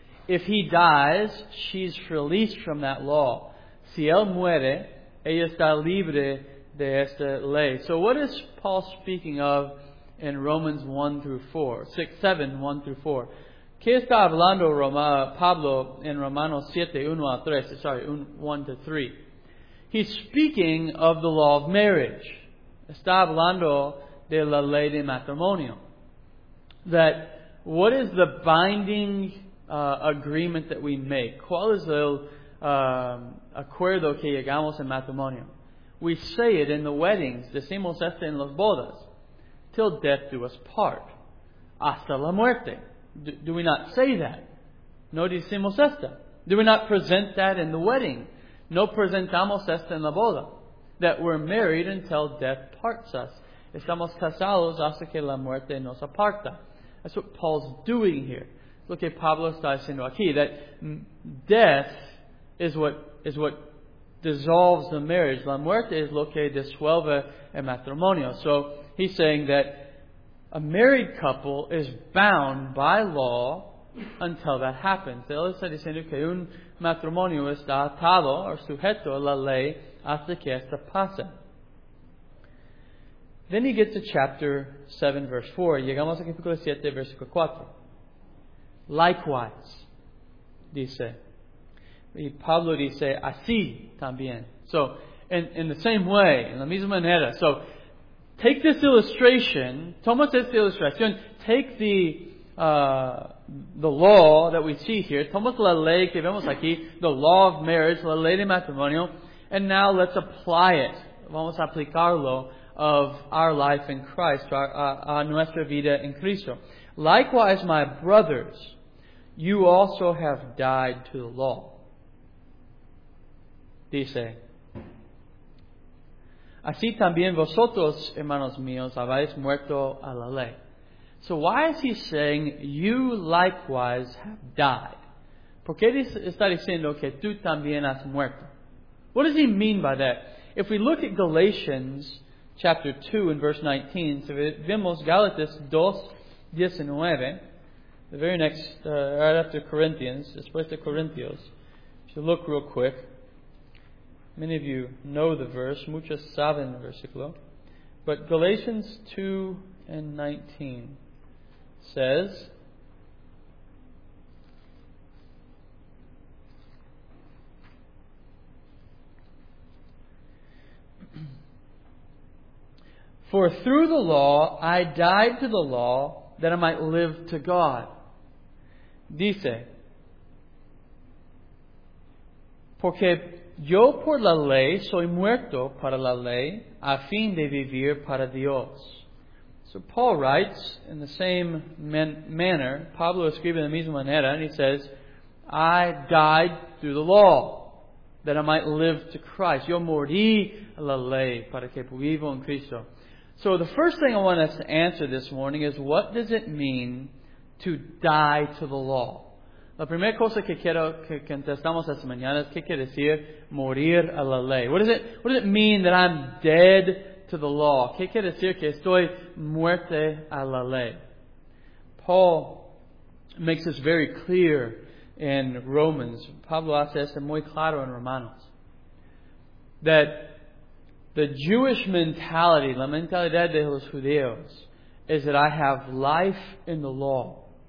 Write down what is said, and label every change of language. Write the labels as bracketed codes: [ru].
[en] If he dies, she's released from that law. [es] Si él muere, ella está libre de esta ley. [en] So what is Paul speaking of in Romans 1 through 4? [es] 6, 7, [en] 1 through 4. [es] ¿Qué está hablando Pablo en Romanos 7, 1 a 3? [en] Sorry, 1 to 3. He's speaking of the law of marriage. [es] Está hablando de la ley de matrimonio. [en] That what is the binding agreement that we make? [es] ¿Cuál es el acuerdo que llegamos en matrimonio? [en] We say it in the weddings. [es] Decimos esto en las bodas. [en] Till death do us part. [es] Hasta la muerte. [en] Do we not say that? [es] No decimos esto. [en] Do we not present that in the wedding? [es] No presentamos esto en la boda. [en] That we're married until death parts us. [es] Estamos casados hasta que la muerte nos aparta. [en] That's what Paul's doing here. [es] Lo que Pablo está diciendo aquí. [en] That death is what dissolves the marriage. [es] La muerte es lo que disuelve el matrimonio. [en] So he's saying that a married couple is bound by law until that happens. [es] Él está diciendo que un matrimonio está atado o sujeto a la ley hasta que esta pase. [en] Then he gets to chapter 7, verse 4. [es] Llegamos a capítulo 7, versículo 4. [en] Likewise, [es] dice. Y Pablo dice, así también. [en] So, in the same way, [es] en la misma manera. [en] So, take this illustration. [es] Toma esta ilustración. [en] Take the law that we see here. [es] Toma la ley que vemos aquí. [en] The law of marriage, [es] la ley de matrimonio. [en] And now let's apply it. [es] Vamos a aplicarlo [en] of our life in Christ, [es] a nuestra vida en Cristo. [en] Likewise, my brothers, you also have died to the law. [es] Dice, así también vosotros, hermanos míos, habéis muerto a la ley. [en] So why is he saying, you likewise have died? [es] ¿Por qué está diciendo que tú también has muerto? [en] What does he mean by that? If we look at Galatians chapter 2 and verse 19, [es] si vemos Galatas 2, 19, [en] the very next, right after Corinthians, [es] después de Corintios, [en] if you look real quick, many of you know the verse, [es] muchos saben el versículo, [en] but Galatians 2 and 19 says, for through the law I died to the law that I might live to God. [es] Dice, porque yo por la ley soy muerto para la ley a fin de vivir para Dios. [en] So Paul writes in the same manner, [es] Pablo escribe en la misma manera, [en] and he says, I died through the law that I might live to Christ. [es] Yo morí a la ley para que vivo en Cristo. [en] So the first thing I want us to answer this morning is, what does it mean to die to the law? [es] La primera cosa que quiero que contestamos esta mañana es qué quiere decir morir a la ley. [en] What does it mean that I'm dead to the law? [es] ¿Qué quiere decir que estoy muerte a la ley? [en] Paul makes this very clear in Romans. [es] Pablo hace esto muy claro en Romanos. [en] That the Jewish mentality, [es] la mentalidad de los judíos, [en] is that I have life in the law.